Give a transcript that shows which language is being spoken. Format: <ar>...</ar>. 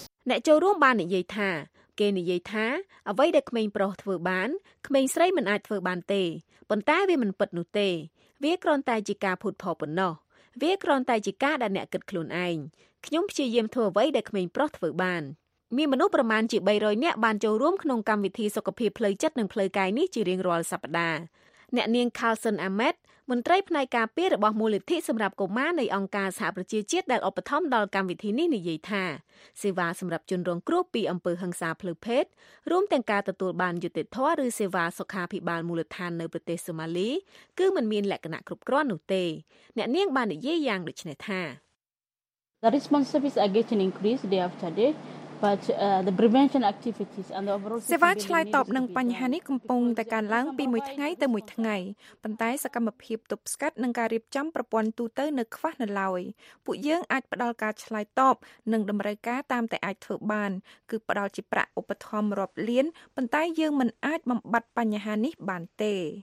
<km>អ្នកចូលរួមបាននិយាយថាគេនិយាយថាអ្វីដែលក្មេងប្រុសធ្វើបានក្មេងស្រីមិនអាចធ្វើបានទេប៉ុន្តែវាមិនពិតនោះទេវាគ្រាន់តែជាការភូតភរប៉ុណ្ណោះវាគ្រាន់តែជាការដែលអ្នកគិតខ្លួនឯងខ្ញុំព្យាយាមធ្វើអ្វីដែលក្មេងប្រុសធ្វើបានមានមនុស្សប្រមាណជា300នាក់បានចូលរួមក្នុងកម្មវិធីសុខភាពផ្លូវចិត្តនិងផ្លូវកាយនេះជារៀងរាល់សប្តាហ៍អ្នកនាងខាលសិនអាម៉េតមន្ត្រីផ្នែកការពាររបស់មូលនិធិសម្រាប់កុមារនៃអង្គការសហប្រជាជាតិដែលឧបត្ថម្ភដល់កម្មវិធីនេះនិយាយថា សេវាសម្រាប់ជនរងគ្រោះពីអំពើហិង្សាផ្លូវភេទរួមទាំងការទទួលបានយុត្តិធម៌ឬសេវាសុខាភិបាលមូលដ្ឋាននៅប្រទេសសូម៉ាលីគឺមិនមានលក្ខណៈគ្រប់គ្រាន់នោះទេអ្នកនាងបាននិយាយយ៉ាងដូចនេះថា</km> <en>The responsibilities are getting increased day after day, but the prevention activities and the overall</en> <km>សេវាឆ្លើយតបនឹងបញ្ហានេះកំពុងតែកើនឡើងពីមួយថ្ងៃទៅមួយថ្ងៃប៉ុន្តែសកម្មភាពទប់ស្កាត់និងការរៀបចំប្រព័ន្ធទូទៅនៅខ្វះនៅឡើយពួកយើងអាចផ្ដល់ការឆ្លើយតបនិងតម្រូវការតាមតែអាចធ្វើបានគឺផ្ដល់ជាប្រាក់ឧបត្ថម្ភរាប់លានប៉ុន្តែយើងមិនអាចបំបត្តិបញ្ហានេះបានទេ</km>